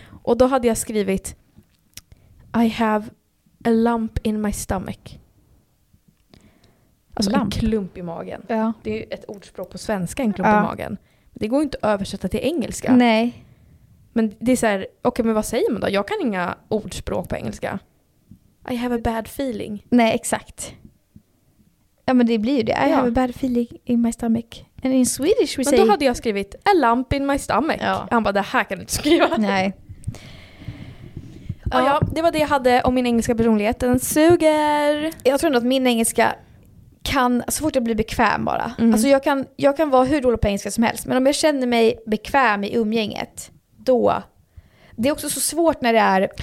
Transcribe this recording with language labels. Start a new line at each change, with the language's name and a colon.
Swedish: Och då hade jag skrivit,
English: I have a lump in my stomach.
Swedish: Alltså lamp. En klump i magen. Ja. Det är ju ett ordspråk på svenska, en klump i magen. Men det går ju inte att översätta till engelska. Nej. Men det är så här, okej, men vad säger man då? Jag kan inga ordspråk på engelska.
English: I have a bad feeling.
Swedish: Nej, exakt. Ja, men det blir ju det.
English: I have a bad feeling in my stomach. And in Swedish we say...
Swedish: Men då hade jag skrivit
English: a lump in my stomach.
Swedish: Ja. Han bara, det här kan du inte skriva. Nej. Ja, det var det jag hade om min engelska personlighet. Den suger. Jag tror ändå att min engelska... kan så fort jag blir bekväm bara. Mm. Alltså jag kan vara hur dålig på engelska som helst, men om jag känner mig bekväm i umgänget, då det är också så svårt när det är,